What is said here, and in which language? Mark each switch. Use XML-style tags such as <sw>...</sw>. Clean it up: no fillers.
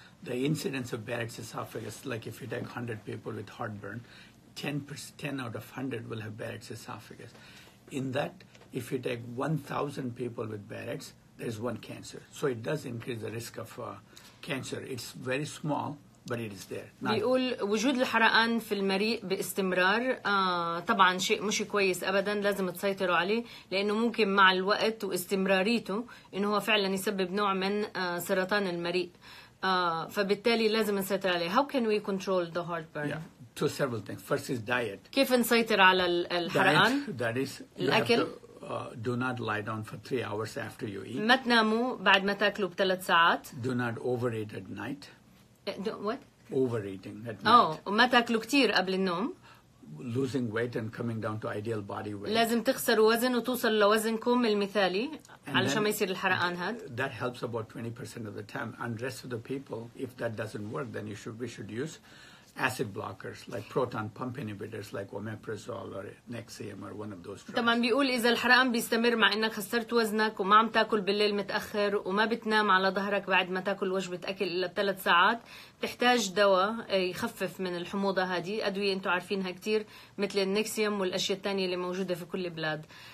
<en>the incidence of Barrett's esophagus, like if you take 100 people with heartburn, 10 out of 100 will have Barrett's esophagus. In that, if you take 1,000 people with Barrett's, there's one cancer. So it does increase the risk of cancer. It's very small, but it is there.</en> <ar>بيقول وجود الحرقان في المريء باستمرار طبعا شيء مش كويس ابدا لازم تسيطروا عليه لانه ممكن مع الوقت واستمراريته انه هو فعلا يسبب نوع من سرطان المريء فبالتالي لازم نسيطر عليه.</ar> <en>How can we control the heartburn? Yeah. To several things. First is diet.</en> <ar>كيف نسيطر على الحرقان?</ar> <en>Diet, that is,</en> <ar>الأكل.</ar> <en>Do not lie down for 3 hours after you eat.</en> <ar>ما تناموا بعد ما تاكلوا بثلاث ساعات.</ar> <en>Do not overeat at night. What? Overeating at night.</en> <ar>وما تاكلوا كتير قبل النوم.</ar> <en>Losing weight and coming down to ideal body weight.</en> <ar>لازم تخسروا وزن وتوصل لوزنكم المثالي علشان ما يصير الحرقان هاد.</ar> <en>That helps about 20% of the time. And rest of the people, if that doesn't work, then we should use acid blockers like proton pump inhibitors like omeprazole or Nexium or one of those drugs.</en> <ar>طبعاً بيقول إذا الحرقان بيستمر مع إنك خسرت وزنك وما عم تأكل بالليل متأخر وما بتنام على ظهرك بعد ما تأكل وجبة أكل إلا بثلاث ساعات تحتاج دواء يخفف من الحموضة هذه أدوية أنتوا عارفينها كتير مثل النكسيوم والأشياء الثانية اللي موجودة في كل بلاد.</ar>